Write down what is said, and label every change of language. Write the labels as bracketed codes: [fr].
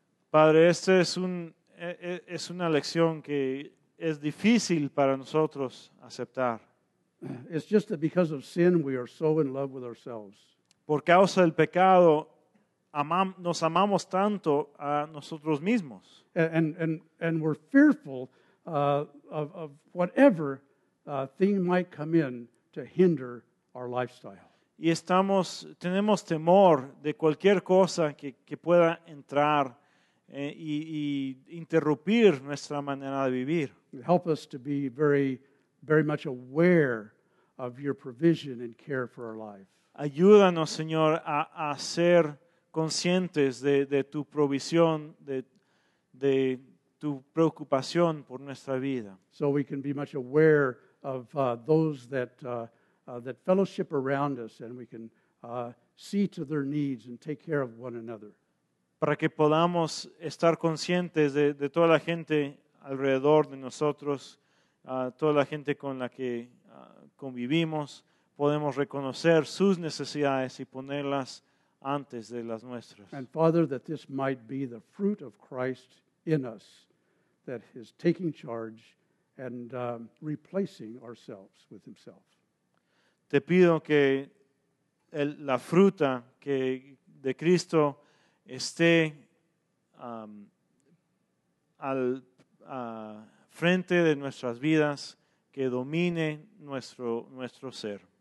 [es] Padre, esta es una lección que es difícil para nosotros aceptar. [en] It's just that because of sin we are so in love with ourselves. [es] Por causa del pecado, nos amamos tanto a nosotros mismos. [en] And we're fearful of whatever thing might come in to hinder our lifestyle. [es] Y estamos, tenemos temor de cualquier cosa que pueda entrar y interrumpir nuestra manera de vivir. [en] Help us to be very, very much aware of your provision and care for our life. [es] Ayúdanos, Señor, a ser conscientes de tu provisión, de tu preocupación por nuestra vida. [en] So we can be much aware of those that that fellowship around us, and we can see to their needs and take care of one another. [es] Para que podamos estar conscientes de toda la gente alrededor de nosotros, toda la gente con la que convivimos, podemos reconocer sus necesidades y ponerlas antes de las nuestras. [en] And Father, that this might be the fruit of Christ in us, that is taking charge and replacing ourselves with Himself. [es] Te pido que la fruta que de Cristo esté frente de nuestras vidas, que domine nuestro ser.